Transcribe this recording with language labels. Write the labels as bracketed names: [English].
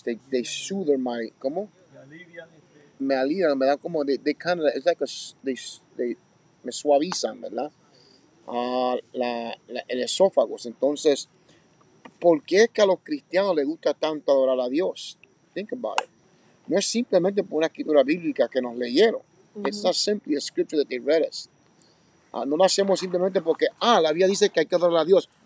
[English] They soother my, [Spanish] ¿cómo? Me alivian, me dan como, [English] they kind of, it's like a, they [Spanish] me suavizan, ¿verdad? El esófago. Entonces, ¿por qué es que a los cristianos les gusta tanto adorar a Dios? [English] Think about it. [Spanish] No es simplemente por una escritura bíblica que nos leyeron. [English] It's not simply a scripture that they read us. [Spanish] No lo hacemos simplemente porque, la Biblia dice que hay que adorar a Dios.